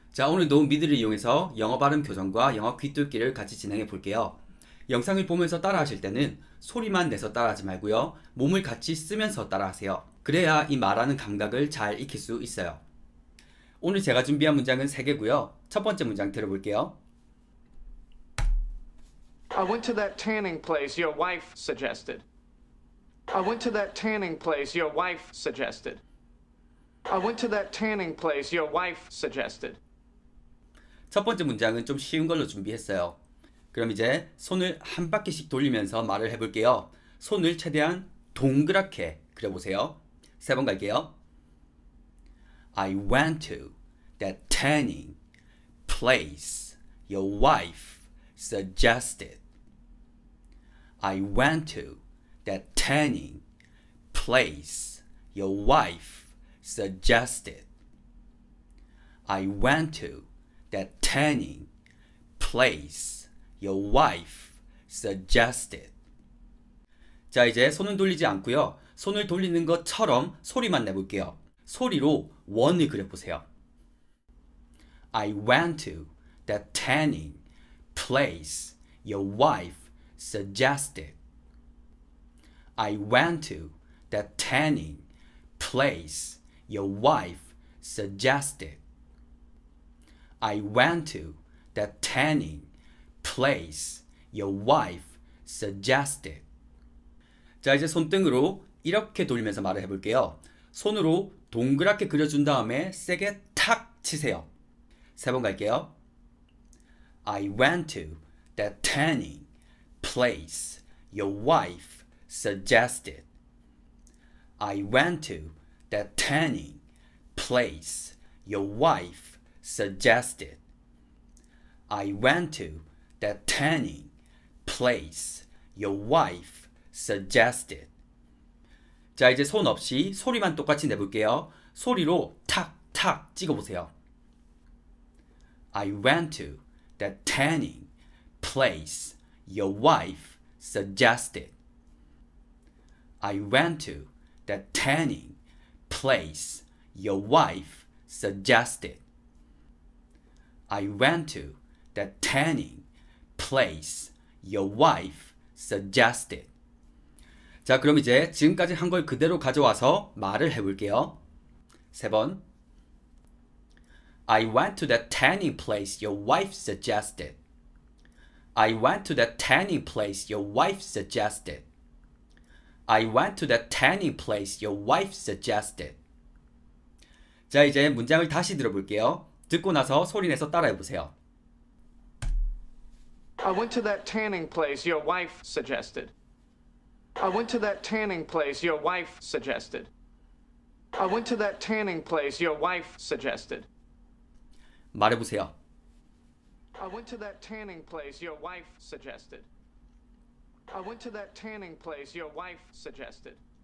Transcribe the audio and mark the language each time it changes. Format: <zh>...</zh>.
<ko>자, 오늘 노은 미드를 이용해서 영어 발음 교정과 영어 귀뚫기를 같이 진행해 볼게요. 영상을 보면서 따라 하실 때는 소리만 내서 따라 하지 말고요. 몸을 같이 쓰면서 따라 하세요. 그래야 이 말하는 감각을 잘 익힐 수 있어요. 오늘 제가 준비한 문장은 3개고요. 첫 번째 문장 들어볼게요.</ko> <en>I went to that tanning place your wife suggested. I went to that tanning place your wife suggested. I went to that tanning place your wife suggested.</en> <ko>첫 번째 문장은 좀 쉬운 걸로 준비했어요. 그럼 이제 손을 한 바퀴씩 돌리면서 말을 해볼게요. 손을 최대한 동그랗게 그려보세요. 세번 갈게요.</ko> <en>I went to that tanning place your wife suggested. I went to that tanning place your wife suggested. I went to that tanning place your wife suggested.</en> <ko>자, 이제 손은 돌리지 않고요. 손을 돌리는 것처럼 소리만 내볼게요. 소리로 원을 그려보세요.</ko> <en>I went to that tanning place your wife suggested. I went to that tanning place your wife suggested. I went to that tanning place your wife suggested.</en> <ko>자, 이제 손등으로 이렇게 돌리면서 말을 해볼게요. 손으로 동그랗게 그려준 다음에 세게 탁 치세요. 세번 갈게요.</ko> <en>I went to that tanning place your wife suggested. I went to that tanning place your wife suggested. I went to that tanning place your wife suggested.</en> <ko>자, 이제 손 없이 소리만 똑같이 내볼게요. 소리로 탁탁 찍어보세요.</ko> <en>I went to that tanning place your wife suggested. I went to that tanning place your wife suggested. I went to that tanning place your wife suggested.</en> <ko>자, 그럼 이제 지금까지 한걸 그대로 가져와서 말을 해볼게요. 세 번.</ko> <en>I went to that tanning place your wife suggested. I went to that tanning place your wife suggested. I went to that tanning place your wife suggested.</en> <ko>자, 이제 문장을 다시 들어볼게요. 듣고 나서 소리 내서 따라해 보세요.</ko> <en>I went to that tanning place your wife suggested. I went to that tanning place your wife suggested. I went to that tanning place your wife suggested.</en> <ko>말해 보세요.</ko> <en>I went to that tanning place your wife suggested. I went to that tanning place your wife suggested.</en>